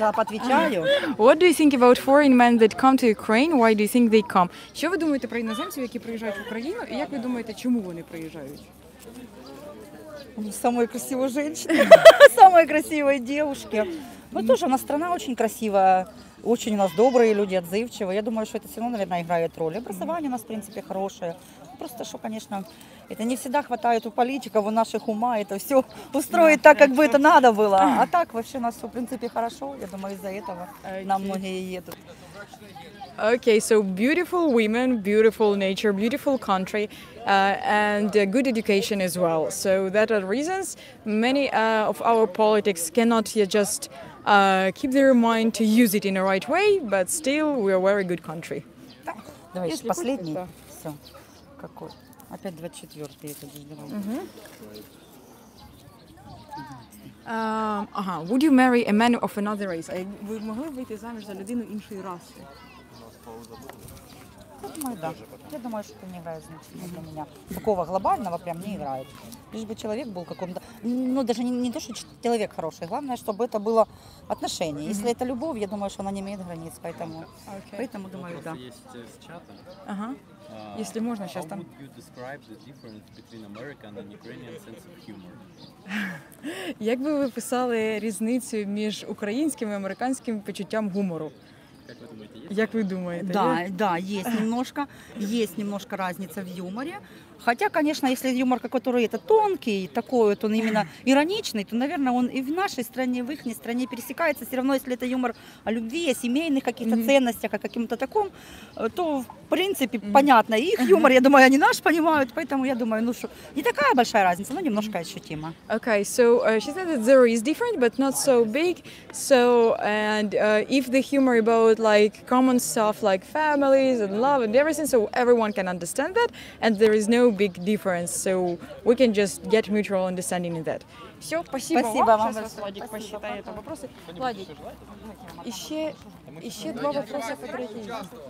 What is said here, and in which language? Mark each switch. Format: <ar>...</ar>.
<en>What do you think about foreign men that come to Ukraine? Why do you think they come?</en> <uk>Що ви думаєте про іноземців, які приїжджають в Україну, і як ви думаєте, чому вони приїжджають? Самої красивої жінки, самої красивої дівчинки. Ну, теж у нас країна дуже красива.</uk> <ru>Очень у нас добрые люди, отзывчивые. Я думаю, что это все равно, наверное, играет роль. Образование у нас, в принципе, хорошее. Просто что, конечно, это не всегда хватает у политиков, у наших ума это все устроить так, как бы это надо было. А так вообще у нас все, в принципе, хорошо. Я думаю, из-за этого нам многие едут.</ru> <en>Okay, so beautiful women, beautiful nature, beautiful country, and good education as well. So that are reasons many of our politics cannot just keep their mind to use it in the right way, but still we are a very good country.</en> <ru>Давай ещё последний. Всё. Какой? Опять 24-й это здесь.</ru> <en>Would you marry a man of another race?</en> <uk>Ви могли б вийти заміж за людину іншої раси?</uk> <ru>Думаю, да. Я думаю, что это не играет значения для меня. Такого глобального прям не играет. Лишь бы человек был каком-то... Ну, даже не то, что человек хороший. Главное, чтобы это было отношение. Если это любовь, я думаю, что она не имеет границ. Поэтому, поэтому думаю, да. Есть с чатом. Если можно, сейчас там...</ru> <en>How would you describe the difference between American and Ukrainian sense of humor?</en> <uk>Як би ви писали різницю між українським і американським почуттям гумору?</uk> <ru>Как вы думаете? Да, да, есть немножко разница в юморе. Хотя, конечно, если юмор, который это тонкий, такой вот он именно ироничный, то, наверное, он и в нашей стране, и в их стране пересекается. Все равно, если это юмор о любви, о семейных каких-то ценностях, о каком-то таком, то, в принципе, понятно. И их юмор, я думаю, они наш понимают, поэтому я думаю, ну что, не такая большая разница, но немножко ощутима.</ru> <en>Okay, so she said that there is different, but not so big. So, and if the humor about like common stuff, like families and love and everything, so everyone can understand that, and there is no big difference, so we can just get mutual understanding in that.</en> <ru>Все, спасибо вам. Сейчас Владик посчитает вопросы. Владик, еще два вопроса, которые есть.</ru>